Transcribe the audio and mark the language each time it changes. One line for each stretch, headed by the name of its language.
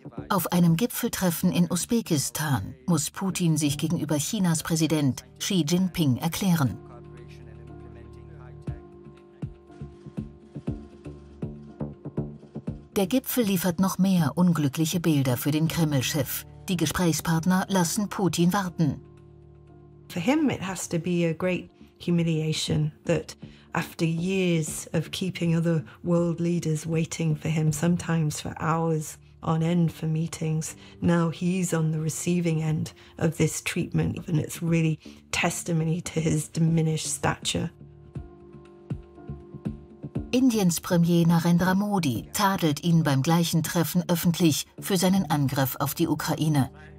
German: Auf einem Gipfeltreffen in Usbekistan muss Putin sich gegenüber Chinas Präsident Xi Jinping erklären. Der Gipfel liefert noch mehr unglückliche Bilder für den Kreml-Chef. Die Gesprächspartner lassen Putin warten.
English: For him it has to be a great humiliation that after years of keeping other world leaders waiting for him, sometimes for hours on end for meetings, now he's on the receiving end of this treatment and it's really testimony to his diminished stature.
German: Indiens Premier Narendra Modi tadelt ihn beim gleichen Treffen öffentlich für seinen Angriff auf die Ukraine.